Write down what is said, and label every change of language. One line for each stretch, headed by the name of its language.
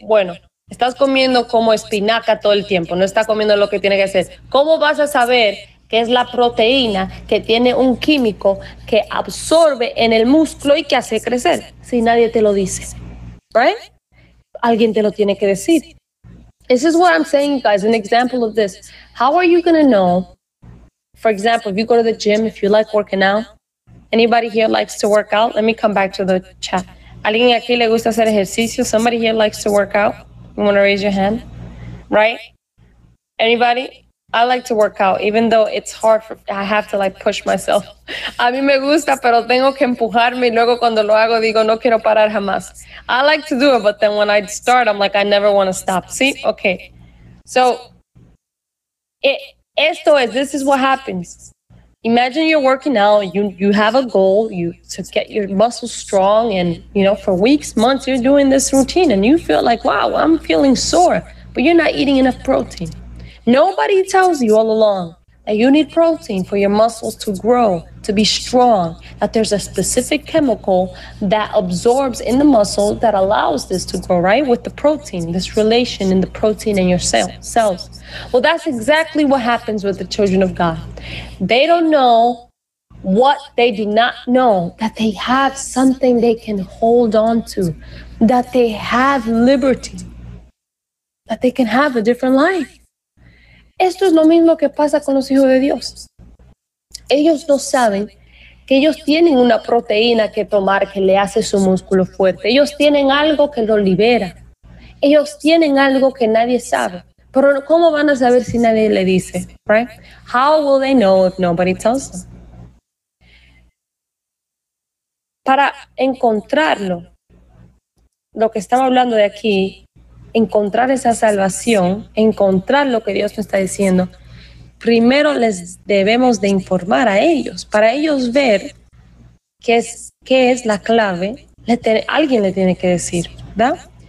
Spanish: Bueno, estás comiendo como espinaca todo el tiempo, no estás comiendo lo que tiene que hacer. ¿Cómo vas a saber que es la proteína que tiene un químico que absorbe en el músculo y que hace crecer, si nadie te lo dice, right? Alguien te lo tiene que decir.
English: This is what I'm saying, guys, an example of this. How are you going to know, for example, if you go to the gym, if you like working out, anybody here likes to work out? Let me come back to the chat.
Spanish: ¿Alguien aquí le gusta hacer ejercicio?
English: Somebody here likes to work out? You want to raise your hand, right? Anybody? I like to work out, even though it's hard for, I have to like push myself.
Spanish: A mí me gusta, pero tengo que empujarme y luego cuando lo hago digo, no quiero parar jamás.
English: I like to do it, but then when I start, I'm like, I never want to stop. ¿Sí? Okay. So,
Spanish: esto es,
English: this is what happens. Imagine you're working out, you have a goal, you to get your muscles strong, and you know, for weeks, months, you're doing this routine and you feel like, wow, I'm feeling sore, but you're not eating enough protein. Nobody tells you all along that you need protein for your muscles to grow, to be strong, that there's a specific chemical that absorbs in the muscle that allows this to grow, right? With the protein, this relation in the protein in your cells. Well, that's exactly what happens with the children of God. They don't know what they do not know, that they have something they can hold on to, that they have liberty, that they can have a different life.
Spanish: Esto es lo mismo que pasa con los hijos de Dios. Ellos no saben que ellos tienen una proteína que tomar que le hace su músculo fuerte. Ellos tienen algo que lo libera. Ellos tienen algo que nadie sabe. Pero ¿cómo van a saber si nadie le dice?
English: Right? How will they know if nobody tells them?
Spanish: Para encontrarlo, lo que estamos hablando de aquí, encontrar esa salvación, encontrar lo que Dios me está diciendo, primero les debemos de informar a ellos, para ellos ver qué es la clave, alguien le tiene que decir, ¿verdad?